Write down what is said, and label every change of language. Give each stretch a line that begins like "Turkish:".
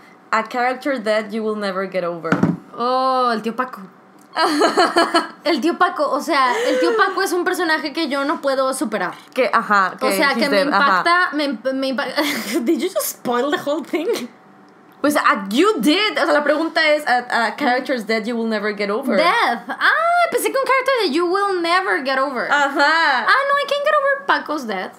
English: A character that you will never get over.
Spanish: Oh, el tío Paco. El tío Paco, o sea, el tío Paco es un personaje que yo no puedo superar. Que, ajá. Que, o sea, que me impacta, me impacta.
English: Did you just spoil the whole thing? Pues, you did.
Spanish: O sea, la pregunta es,
English: a character is dead, you will never get over. Death. Ah,
Spanish: pensé que un
English: character that you will never get over. Ajá. Ah, no, I can't get over Paco's death.